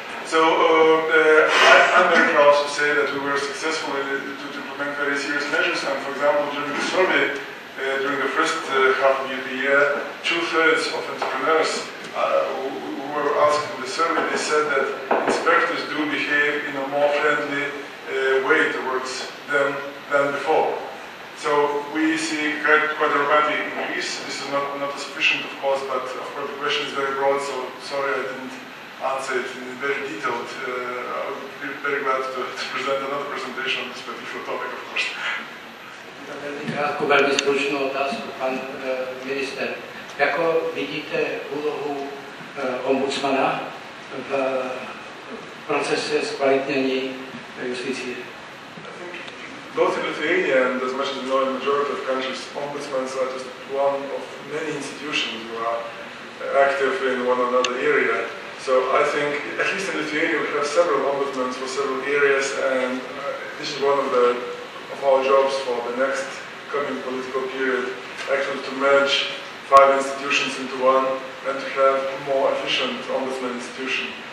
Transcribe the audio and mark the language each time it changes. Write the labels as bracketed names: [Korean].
[English] So I'm very proud to say that we were successful to implement very serious measures, and for example, during the survey, during the first half of the year, two-thirds of entrepreneurs who were asked in the survey, they said that inspectors do behave in a more friendly way towards them than before. So we see quite a dramatic increase. This is not sufficient, of course, but of course the question is very broad, so sorry I didn't answer it in very detailed. I would be very glad to present another presentation on this particular topic, of course. [Czech] Velmi krátkou, velmi stručnou otázku, pan minister. Jako vidíte úlohu ombudsmana v procese zkvalitnění justicí? [English] Both in Lithuania and as much as you know in the majority of countries, ombudsmans are just one of many institutions who are active in one another area. So I think, at least in Lithuania, we have several ombudsmans for several areas, and this is one of the our jobs for the next coming political period, actually to merge five institutions into one and to have a more efficient ombudsman institution.